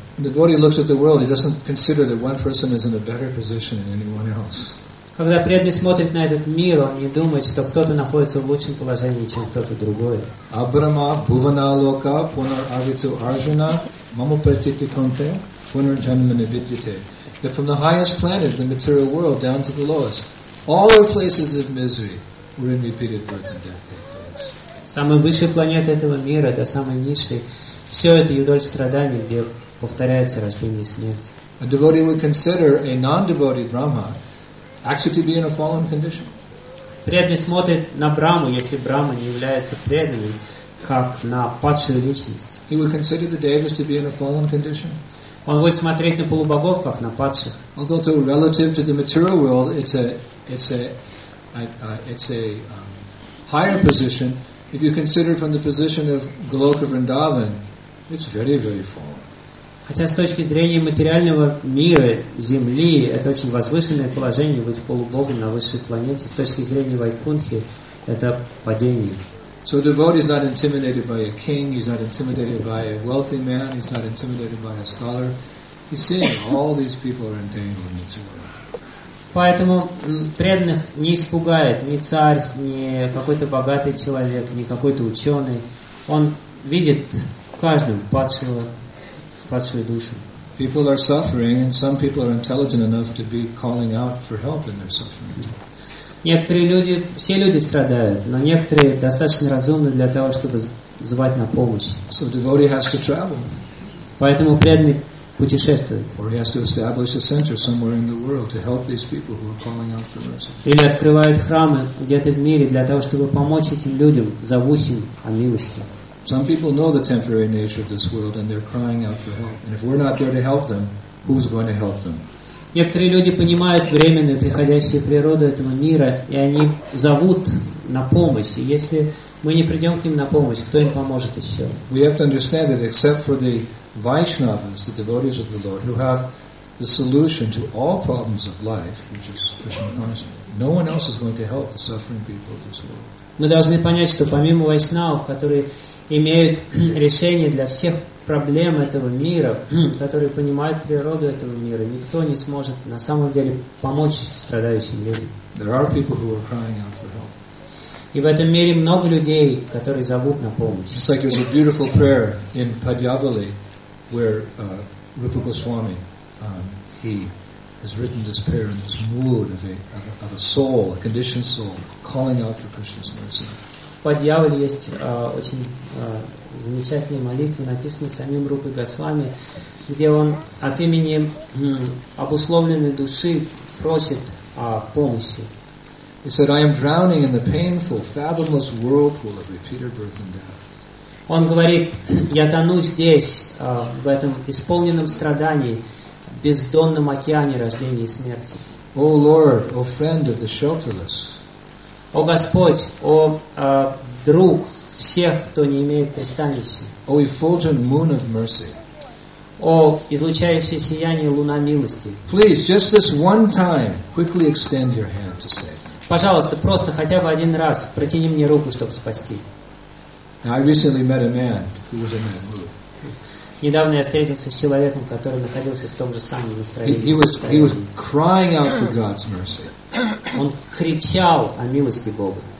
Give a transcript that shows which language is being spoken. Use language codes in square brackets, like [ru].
[en] When the devotee looks at the world, he doesn't consider that one person is in a better position than anyone else. [ru] Когда преданный смотрит на этот мир, он не думает, что кто-то находится в лучшем положении, чем кто-то другой. [sa] Абрама, бувана лока, пунар авиту аржуна, маму претити конте. [en] If from the highest planet, the material world, down to the lowest, all our places of misery were in repeated birth and death. [ru] Самая высшая планета этого мира до самой низшей, все это юдоль страданий, где повторяется рождение и смерть. [en] A devotee would consider a non-devotee Brahma actually to be in a fallen condition. [ru] Преданный смотрит на Брахму, если Брахма не является преданным, как на падшую личность. [en] He would consider the devas to be in a fallen condition. [ru] Он будет смотреть на полубогов, как на падших. [en] Although to relative to the material world, it's a higher position. If you consider from the position of Goloka Vrindavan, it's very, very fallen. [ru] Хотя с точки зрения материального мира, Земли, это очень возвышенное положение быть полубогом на высшей планете. С точки зрения Вайкунхи, это падение. [en] So a devotee is not intimidated by a king, he's not intimidated by a wealthy man, he's not intimidated by a scholar. He's seeing all these people are entangled in material world. [ru] Поэтому преданных не испугает ни царь, ни какой-то богатый человек, ни какой-то ученый. Он видит каждого падшую душу. [en] People are suffering, and some people are intelligent enough to be calling out for help in their suffering. [ru] Некоторые люди, все люди страдают, но некоторые достаточно разумны для того, чтобы звать на помощь. [en] So devotee has to travel. [ru] Поэтому преданный путешествует. [en] Or he has to establish a center somewhere in the world to help these people who are calling out for mercy. [ru] Или открывает храмы где-то в мире для того, чтобы помочь этим людям, зовущим о милости. [en] Some people know the temporary nature of this world and they're crying out for help. And if we're not there to help them, who's going to help them? [ru] Некоторые люди понимают временную приходящую природу этого мира, и они зовут на помощь. И если мы не придем к ним на помощь, кто им поможет еще? [en] We have to understand that except for the Vaishnavas, the devotees of the Lord, who have the solution to all problems of life, which is Krishna consciousness, no one else is going to help the suffering people of this world. [ru] Мы должны понять, что помимо Вайшнавов, которые имеют решение для всех проблем этого мира, которые понимают природу этого мира, никто не сможет на самом деле помочь страдающим людям. [en] There are people who are crying out for help. [ru] И в этом мире много людей, которые зовут на помощь. [en] It's like there's a beautiful prayer in Padyavali where Rupa Goswami he has written this prayer in this mood of a soul, a conditioned soul, calling out for Krishna's mercy. [ru] В Падьяволе есть очень замечательные молитвы, написанные самим Рупой Госвами, где он от имени обусловленной души просит о помощи. [en] He said, "I am drowning in the painful, fathomless whirlpool of repeated birth and death." [ru] Он говорит, я тону здесь, в этом исполненном страдании, бездонном океане рождения и смерти. [en] O Lord, O friend of the shelterless. [ru] О Господь, о друг всех, кто не имеет пристанища. [en] O effulgent moon of mercy. [ru] О излучающее сияние луна милости. [en] Please, just this one time, quickly extend your hand to save. [ru] Пожалуйста, просто хотя бы один раз протяни мне руку, чтобы спасти. [en] Now, I recently met a man who was in that mood. [ru] Недавно я встретился с человеком, который находился в том же самом настроении. [en] He was crying out for God's mercy. [ru] Он кричал о милости Бога.